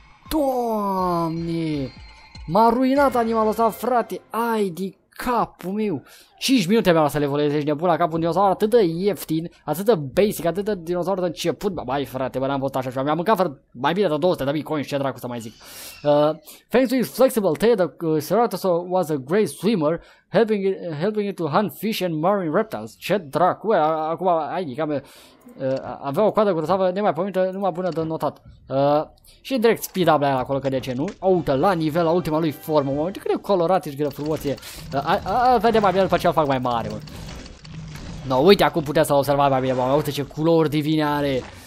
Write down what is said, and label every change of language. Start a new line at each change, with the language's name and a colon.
Romanian: Doamne! M-a ruinat animalul ăsta, frate, ai de capul meu! 5 minute mi-am luat să le voleze, ești nebun la capul, un dinozaur atât de ieftin, atât de basic, atât de dinozaur de început, bă, mai frate, bă, n-am fost așa ceva, mi-am mâncat fără mai bine de 200 de mii coins, ce dracu să mai zic.
English: Thanks to his flexible tail, the Ceratosaur was a great swimmer, helping it to hunt fish and marine reptiles.
Romanian: Ce dracu, bă, acum, ai de capul, avea o coadă grăsavă nemaipomenită, numai bună de notat. Și direct speed up la el acolo, că de ce nu? Uite, la nivel, la ultima lui formă, mă, cât de colorat și cât de frumos e. Vedem mai bine după ce îl fac mai mare, mă. No, uite, acum putea să-l observa mai bine, mă, uite ce culori divine are.